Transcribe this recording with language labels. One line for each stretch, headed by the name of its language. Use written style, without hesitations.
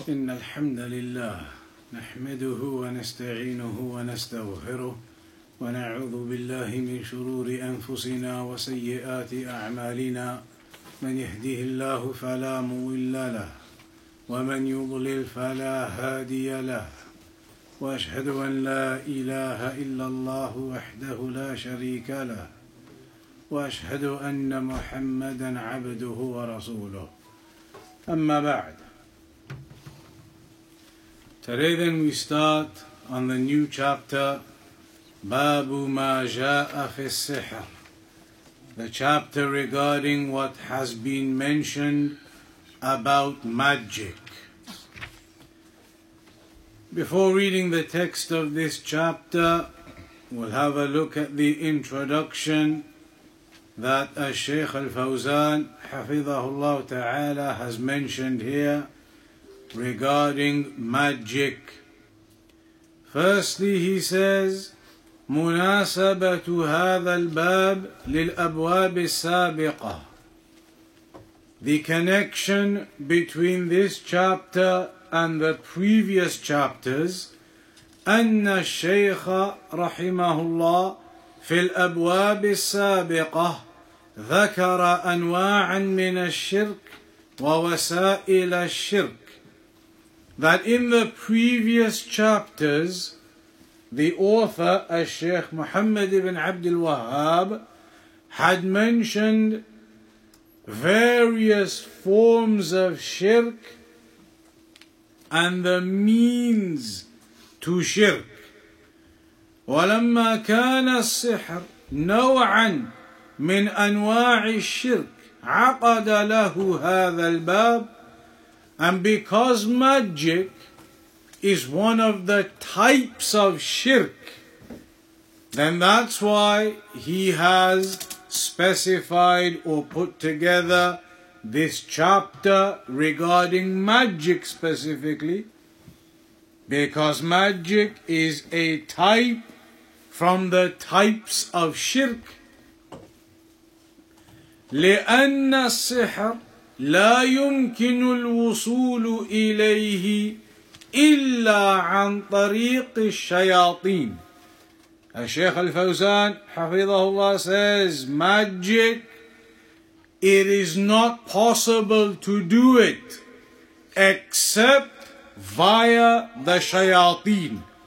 Arabic: إن الحمد لله نحمده ونستعينه ونستغفره ونعوذ بالله من شرور أنفسنا وسيئات أعمالنا من يهده الله فلا مضل له ومن يضلل فلا هادي له وأشهد أن لا إله إلا الله وحده لا شريك له وأشهد أن محمدا عبده ورسوله أما بعد.
English: Today then we start on the new chapter, Babu Ma Ja'a Fi Sihr, the chapter regarding what has been mentioned about magic. Before reading the text of this chapter, we'll have a look at the introduction that Al-Shaykh Al-Fawzan, Hafidhahullah Ta'ala, has mentioned here regarding magic. Firstly, he says,
Arabic: مناسبة هذا الباب للأبواب السابقة.
English: The connection between this chapter and the previous chapters,
Arabic: أن الشيخ رحمه الله في الأبواب السابقة ذكر أنواعا من الشرك ووسائل الشرك.
English: That in the previous chapters, the author, Al-Shaykh Muhammad ibn Abdul Wahhab, had mentioned various forms of shirk and the means to shirk.
Arabic: وَلَمَّا كَانَ السِّحْرِ نَوْعًا مِنْ أَنْوَاعِ الشِّرْكِ عَقَدَ لَهُ هَذَا الْبَابِ.
English: And because magic is one of the types of shirk, then that's why he has specified or put together this chapter regarding magic specifically, because magic is a type from the types of shirk.
Arabic: لِأَنَّ السِّحْرِ لا يمكن الوصول إليه إلا عن طريق الشياطين.
English: الشيخ الفوزان
Arabic: حفظه الله
English: says, magic, it is not possible to do it except via the shayateen.